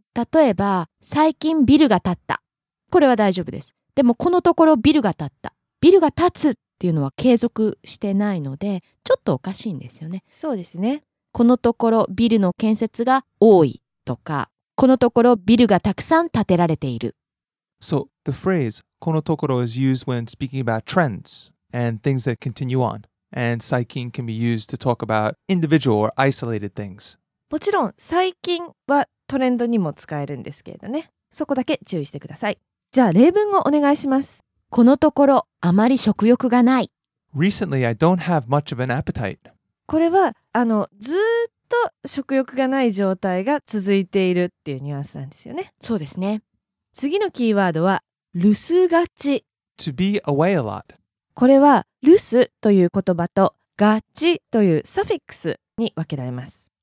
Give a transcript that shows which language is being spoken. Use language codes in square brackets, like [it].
[ja] 例えば、最近ビルが建った。これは大丈夫です。でもこのところビルが建った。ビルが建つっていうのは継続してないので、ちょっとおかしいんですよね。そうですね。このところビルの建設が多いとか、このところビルがたくさん建てられている。 [en] So, the phrase, このところ is used when speaking about trends and things that continue on. And 最近 can be used to talk about individual or isolated things. [ja] もちろん最近はトレンドにも使えるんですけれどね。そこだけ注意してください。じゃあ例文をお願いします。このところあまり食欲がない。 [en] Recently, I don't have much of an appetite. [ja] これはあのずっと食欲がない状態が続いているっていうニュアンスなんですよね。そうですね。次のキーワードは留守がち。 [en] To be away a lot。 [ja] これは留守という言葉とがちというサフィックスに分けられます。